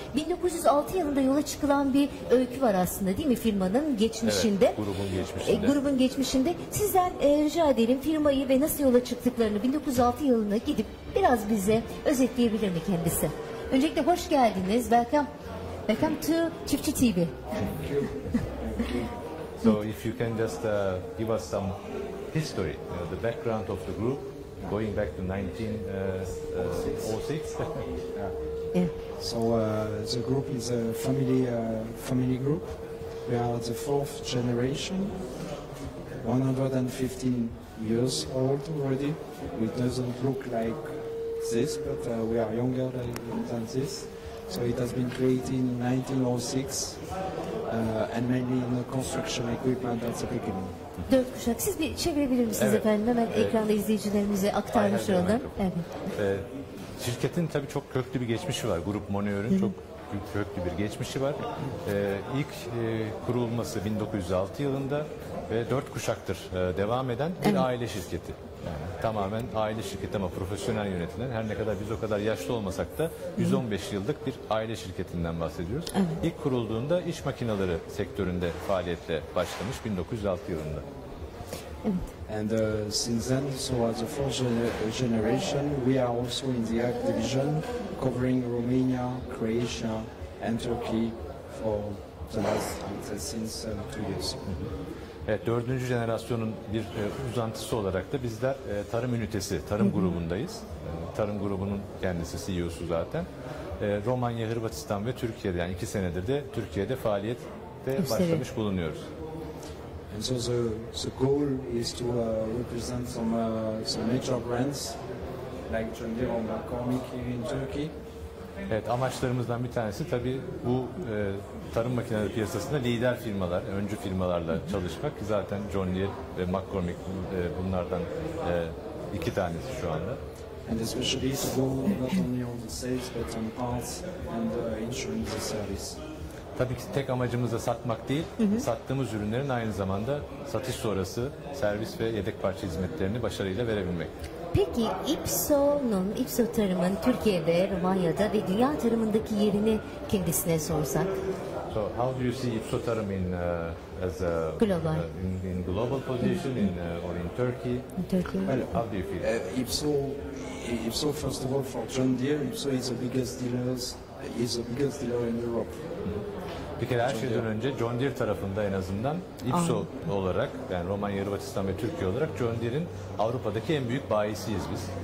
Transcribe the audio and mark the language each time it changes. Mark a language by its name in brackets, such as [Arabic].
[Turkish] 1906 yılında yola çıkılan bir öykü var aslında, değil mi, firmanın geçmişinde? Evet, grubun geçmişinde. Grubun geçmişinde. Sizden rica edelim, firmayı ve nasıl yola çıktıklarını 1906 yılına gidip biraz bize özetleyebilir mi kendisi? Öncelikle hoş geldiniz. [English] Welcome to Çiftçi TV. Thank you. So if you can just give us some history, the background of the group, going back to 1906. So the group is a family group. We are the fourth generation, 115 years old already. It doesn't look like this, but we are younger than this. So it has been created in 1906, and mainly in the construction equipment at the beginning. [Turkish] Dört kuşak. Siz bir çevirebilir misiniz, evet, efendim? Hemen ekranda izleyicilerimize aktarmış olalım. Evet. Şirketin tabii çok köklü bir geçmişi var. Grup Monnier'in çok köklü bir geçmişi var. İlk kurulması 1906 yılında ve 4 kuşaktır devam eden bir aile şirketi. Yani tamamen aile şirketi ama profesyonel yönetilen. Her ne kadar biz o kadar yaşlı olmasak da 115 yıllık bir aile şirketinden bahsediyoruz. Evet. İlk kurulduğunda iş makineleri sektöründe faaliyetle başlamış 1906 yılında. Evet. [English] And since then, so as a fourth generation, we are also in the Ag division, covering Romania, Croatia, and Turkey for the last since 2 years. [Turkish] Evet, dördüncü jenerasyonun bir uzantısı olarak da bizler tarım ünitesi, tarım grubundayız. Tarım grubunun kendisi CEO'su zaten. Romanya, Hırvatistan ve Türkiye'de, yani 2 senedir de Türkiye'de faaliyette başlamış bulunuyoruz. [English] And so the goal is to represent some major brands like John Deere or McCormick in Turkey. [Turkish] Evet, amaçlarımızdan bir tanesi tabii bu tarım makineleri piyasasında lider firmalar, öncü firmalarla çalışmak. Zaten John Deere ve McCormick bunlardan 2 tanesi şu anda. [English] And especially to go not only on the sales but on parts and insurance service. [Turkish] Tabii ki tek amacımız da satmak değil, sattığımız ürünlerin aynı zamanda satış sonrası servis ve yedek parça hizmetlerini başarıyla verebilmek. Peki İPSO Tarım'ın Türkiye'de, Romanya'da ve dünya tarımındaki yerini kendisine sorsak? [English] So how do you see İPSO Tarım in as a global in global position in or in Turkey? In Turkey. Well, how do you feel? İPSO first of all for John Deere, İPSO is the biggest dealer in Europe. [Turkish] Bir kere her şeyden önce John Deere tarafında en azından İPSO olarak, yani Romanya, Hırvatistan ve Türkiye olarak John Deere'in Avrupa'daki en büyük bayisiyiz biz.